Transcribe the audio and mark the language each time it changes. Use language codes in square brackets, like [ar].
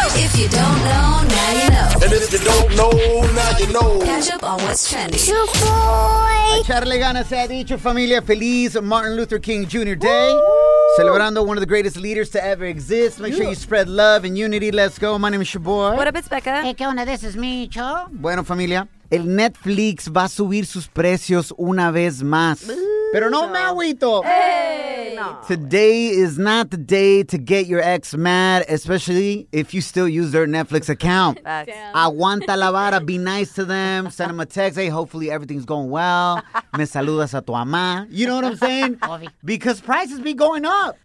[en] If you don't know, now you know. And if you don't know, now you know. Catch up on what's trending. Your boy. [es] Echarle ganas a dicho familia. Feliz Martin Luther King Jr. Day. Celebrando [en] one of the greatest leaders to ever exist. Make sure you spread love and unity. Let's go. My name is Shaboy. What up, it's Becca. Hey, [es] ¿qué onda? [en] This is Micho. [es] Bueno, familia. El Netflix va a subir sus precios una vez más. Pero no me agüito. [en] Hey. Today is not the day to get your ex mad, especially if you still use their Netflix account. [es] Aguanta la vara. [en] Be nice to them. Send them a text. Hey, hopefully everything's going well. [es] Me saludas a tu mamá. [en] You know what I'm saying? Because prices be going up.